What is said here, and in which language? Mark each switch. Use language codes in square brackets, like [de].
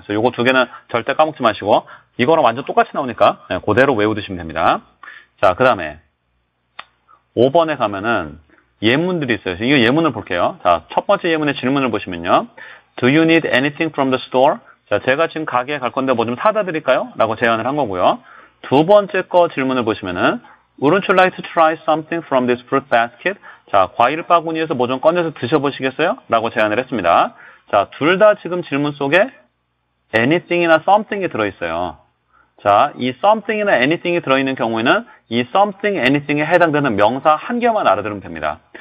[ko] 그래서 이거 두 개는 절대 까먹지 마시고, 이거랑 완전 똑같이 나오니까 네, 그대로 외워두시면 됩니다. 자, 그 다음에 5번에 가면은 예문들이 있어요. 이 예문을 볼게요. 자, 첫 번째 예문의 질문을 보시면요. [en] Do you need anything from the store? [ko] 자, 제가 지금 가게에 갈 건데 뭐좀 사다 드릴까요? 라고 제안을 한 거고요. 두 번째 거 질문을 보시면은 [en] Wouldn't you like to try something from this fruit basket? [ko] 자, 과일 바구니에서 뭐 좀 꺼내서 드셔보시겠어요? 라고 제안을 했습니다. 자, 둘 다 지금 질문 속에 anything이나 something이 들어있어요. 자, 이 something이나 anything이 들어있는 경우에는 이 something, anything에 해당되는 명사 한 개만 알아들으면 됩니다.